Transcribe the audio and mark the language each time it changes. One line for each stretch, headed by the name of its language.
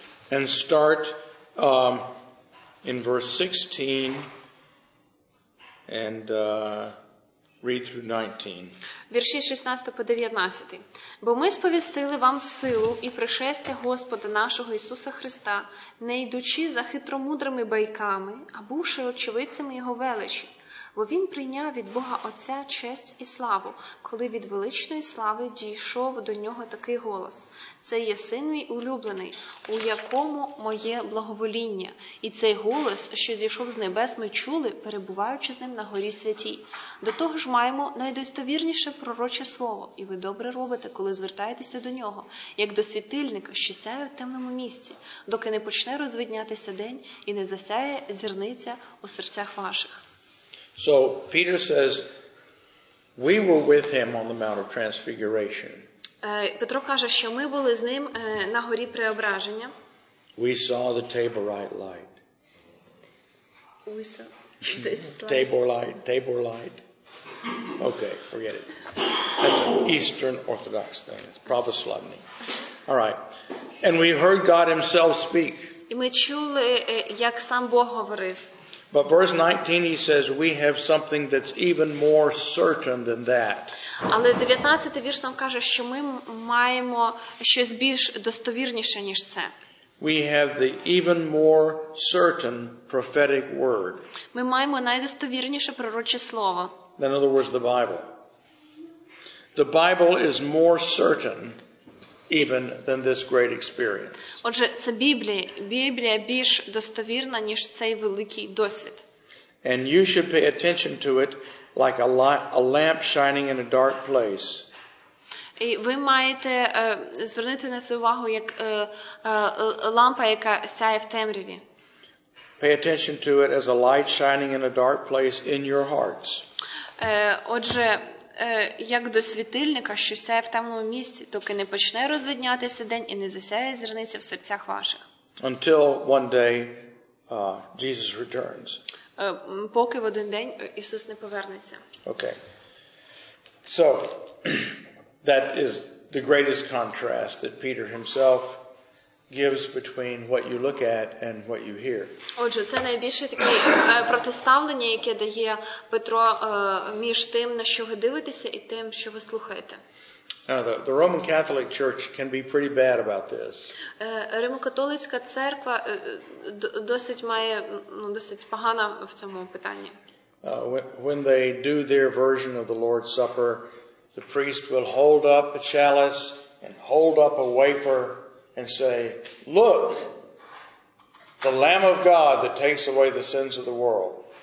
English: And start in verse 16 and read through 19.
Ukrainian: Вірші 16 по 19. Бо ми сповістили вам силу і пришестя Господа нашого Ісуса Христа, не йдучи за хитромудрими байками, а бувши очевидцями Його величі. бо він прийняв від Бога Отця честь і славу, коли від величної слави дійшов до нього такий голос: «Це є син мій улюблений, у якому моє благовоління». І цей голос, що зійшов з небес, ми чули, перебуваючи з ним на горі святій. До того ж маємо найдостовірніше пророче слово, і ви добре робите, коли звертаєтеся до нього, як до світильника, що сяє в темному місці, доки не почне розвиднятися день і не засяє зірниця у серцях ваших.
English: So Peter says, we were with him on the Mount of Transfiguration.
Ukrainian: Петро каже, що ми були з ним на горі Преображення.
English: We saw the Taborite light. We saw this light. Taborite. Okay, forget it. That's an Eastern Orthodox thing. It's Pravoslavny. All right. And we heard God himself speak.
Ukrainian: І ми чули, як сам Бог говорив.
English: But verse 19, he says, we have something that's even more certain than that.
Ukrainian: Але 19 вірш нам каже, що ми маємо щось більш достовірніше, ніж це.
English: We have the even more certain prophetic word.
Ukrainian: Ми маємо найдостовірніше пророче слово.
English: In other words, the Bible. The Bible is more certain even than this great experience.
Ukrainian: Отже, це Біблія. Біблія більш достовірна, ніж цей великий досвід.
English: And you should pay attention to it like a lamp shining in a dark place.
Ukrainian: І ви маєте звернути на це увагу, як лампа, яка сяє в темряві.
English: Pay attention to it as a light shining in a dark place in your hearts.
Ukrainian: Отже, як до світильника, що сяє в темному місці, доки не почне розвиднятися день і не засяє зірниця в серцях ваших.
English: Until one day, Jesus returns.
Ukrainian: Поки в один день Ісус не повернеться.
English: Okay. So, that is the greatest contrast that Peter himself gives between what you look at and what you hear.
Ukrainian: Отже, це найбільше таке протиставлення, яке дає Петро між тим, на що ви дивитеся, і тим, що ви слухаєте.
English: The Roman Catholic Church can be pretty bad about this.
Ukrainian: Римо-католицька церква досить має, ну, досить погана в цьому питанні.
English: When they do their version of the Lord's Supper, the priest will hold up a chalice and hold up a wafer and say, look, the Lamb of God that takes away the sins of the world.